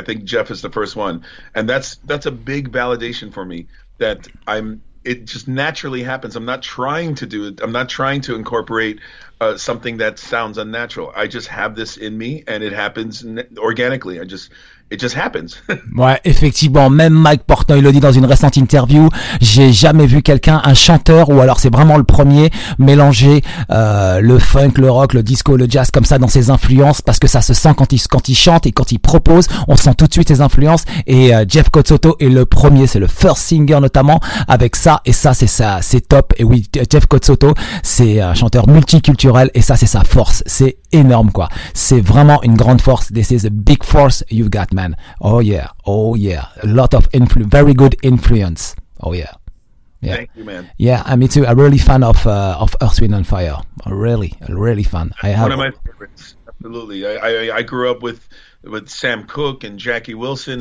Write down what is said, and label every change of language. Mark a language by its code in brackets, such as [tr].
[en] I think Jeff is the first one, and that's a big validation for me that it just naturally happens. I'm not trying to do it. I'm not trying to incorporate something that sounds unnatural. I just have this in me, and it happens organically. It just happens. [fr] Ouais, effectivement, même Mike Portnoy le dit dans une récente interview, j'ai jamais vu quelqu'un, un chanteur, ou alors c'est vraiment le premier, mélanger le funk, le rock, le disco, le jazz comme ça dans ses influences, parce que ça se sent quand il chante et quand il propose, on sent tout de suite ses influences, et Jeff Cozzotto est le premier, c'est le [en] first singer [fr] notamment avec ça, et ça c'est top. Et oui, Jeff Cozzotto, c'est un chanteur multiculturel, et ça c'est sa force, c'est énorme quoi, c'est vraiment une grande force. [en] This is a big force you've got, man. Oh yeah, oh yeah, a lot of influence, very good influence. Oh yeah, yeah. Thank you, man. Yeah, me too. I'm really fan of Earth, Wind & Fire. Really, really fun. I have one of my favorites. Absolutely. I grew up with Sam Cooke and Jackie Wilson.